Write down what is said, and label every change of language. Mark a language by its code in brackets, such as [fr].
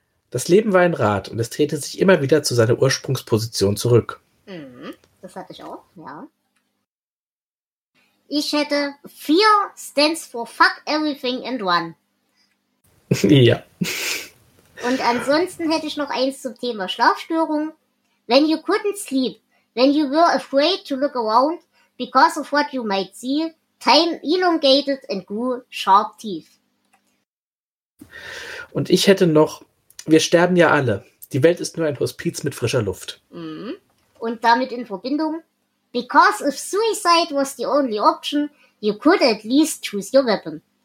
[de] Das Leben war ein Rad und es drehte sich immer wieder zu seiner Ursprungsposition zurück. Das hatte ich auch, ja. Ich hätte 4 [en] stands for fuck everything and one. [de] Ja. Und ansonsten hätte ich noch eins zum Thema Schlafstörung. [en] When you couldn't sleep, when you were afraid to look around, because of what you might see, time elongated and grew sharp teeth. [de] Und ich hätte noch, wir sterben ja alle. Die Welt ist nur ein Hospiz mit frischer Luft. Und damit in Verbindung, [en] because if suicide was the only option, you could at least choose your weapon.